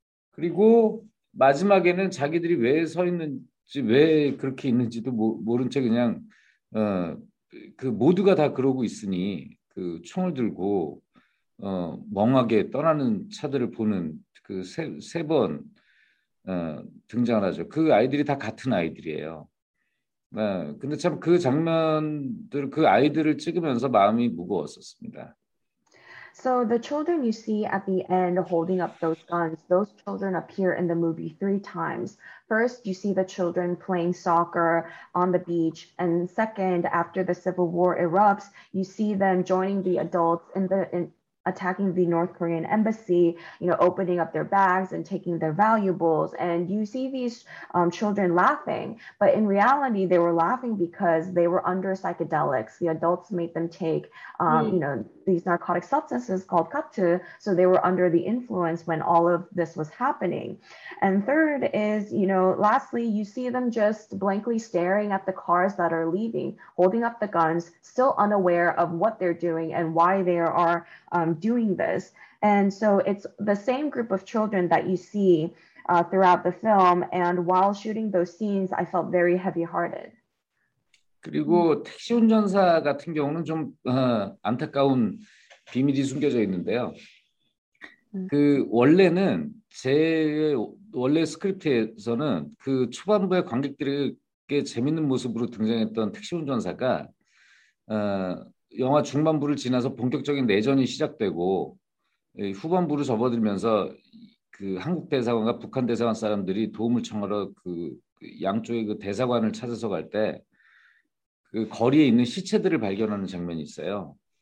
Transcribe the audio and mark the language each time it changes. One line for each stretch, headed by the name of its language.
Korean: 그리고 마지막에는 자기들이 왜서 있는지, 왜 그렇게 있는지도 모른 채 그냥 그 모두가 다 그러고 있으니 그 총을 들고 멍하게 떠나는 차들을 보는 그 세번 등장하죠. 그 아이들이 다 같은 아이들이에요. 근데 참그 장면들, 그 아이들을 찍으면서 마음이 무거웠었습니다.
English: So the children you see at the end holding up those guns, those children appear in the movie three times. First, you see the children playing soccer on the beach, and second, after the Civil War erupts, you see them joining the adults in attacking the North Korean embassy, opening up their bags and taking their valuables. And you see these children laughing, but in reality, they were laughing because they were under psychedelics. The adults made them take, these narcotic substances called kattu. So they were under the influence when all of this was happening. And third is, lastly, you see them just blankly staring at the cars that are leaving, holding up the guns, still unaware of what they're doing and why they are doing this. And so it's the same group of children that you see throughout the film. And while shooting those scenes, I felt very heavy-hearted.
Korean: 그리고 택시 운전사 같은 경우는 좀 안타까운 비밀이 숨겨져 있는데요. 그 원래는 제 원래 스크립트에서는 그 초반부에 관객들에게 재밌는 모습으로 등장했던 택시 운전사가 영화 중반부를 지나서 본격적인 내전이 시작되고 후반부로 접어들면서 그 한국 대사관과 북한 대사관 사람들이 도움을 청하러 그 양쪽의 그 대사관을 찾아서 갈때그 거리에 있는 시체들을 발견하는 장면이 있어요.